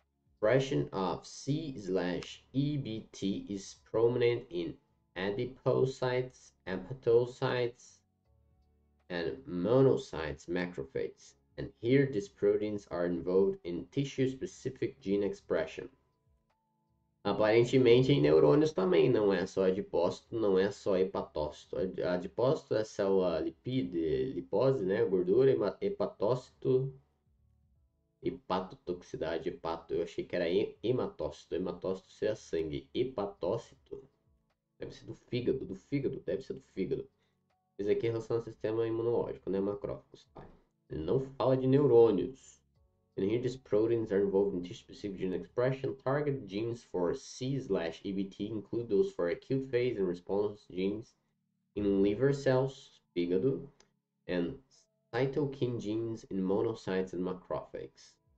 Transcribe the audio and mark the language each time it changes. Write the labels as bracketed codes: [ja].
[en] Expression of C slash EBT is prominent in adipocytes, hepatocytes, and monocytes, macrophages. And here, these proteins are involved in tissue-specific gene expression. [pt] Aparentemente, em neurônios também, não é só adipócito, não é só hepatócito. Adipócito é célula lipose, né? Gordura, hepatócito, hepatotoxicidade, hepato. Eu achei que era hematócito. Hematócito seria sangue. Hepatócito deve ser do fígado, do fígado, deve ser do fígado. Isso aqui é em relação ao sistema imunológico, né? Macrófagos, tá? Ele não fala de neurônios. [en] And here, these proteins are involved in tissue-specific gene expression. Target genes for C/EBT include those for acute phase and response genes in liver cells, fígado, and cytokine genes in monocytes and macrophages.